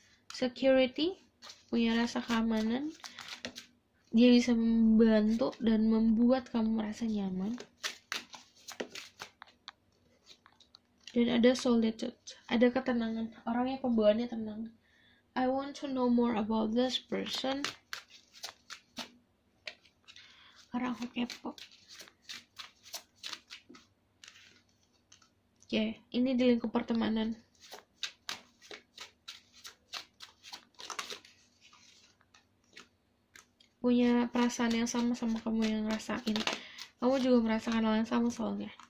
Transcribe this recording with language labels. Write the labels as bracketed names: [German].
[Indonesian] Security, punya rasa keamanan. Dia bisa membantu dan membuat kamu merasa nyaman. Dan ada solitude, ada ketenangan. Orangnya pembawaannya tenang. [English] I want to know more about this person. [Indonesian] Karena aku kepo. Oke, okay, ini di lingkup pertemanan. Punya perasaan yang sama sama kamu yang ngerasain. Kamu juga merasakan hal yang sama soalnya.